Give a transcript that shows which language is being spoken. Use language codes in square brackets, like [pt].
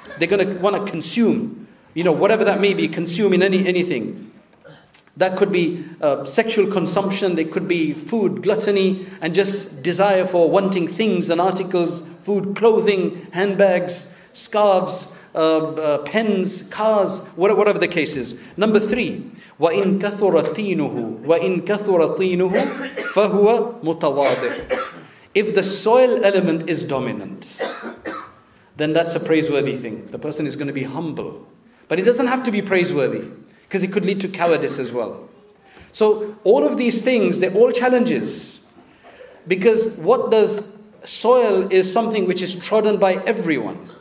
[en] They're going to want to consume, you know, whatever that may be, consume in anything. That could be sexual consumption, they could be food gluttony, and just desire for wanting things and articles, food, clothing, handbags, scarves, pens, cars, whatever the case is. Number three, [ar] وَإِن كَثُرَ طِينُهُ وَإِن كَثُرَ طِينُهُ فَهُوَ مُتَوَاضِعُ. [en] If the soil element is dominant, then that's a praiseworthy thing. The person is going to be humble. But it doesn't have to be praiseworthy, because it could lead to cowardice as well. So all of these things, they're all challenges. Because what does soil is something which is trodden by everyone.